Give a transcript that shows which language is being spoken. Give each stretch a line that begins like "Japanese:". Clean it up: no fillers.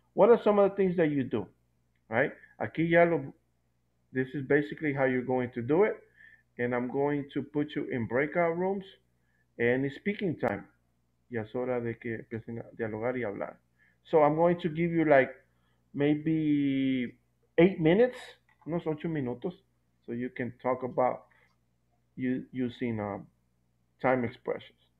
English: What are some of the things that you do, right?
Spanish: Aquí ya lo,
English: this is basically how you're going to do it. And I'm going to put you in breakout rooms. And it's speaking time.
Spanish: Ya es hora de que empiecen a dialogar y hablar.
English: So I'm going to give you like maybe 8 minutes,
Spanish: unos 8 minutos,
English: so you can talk about using time expressions.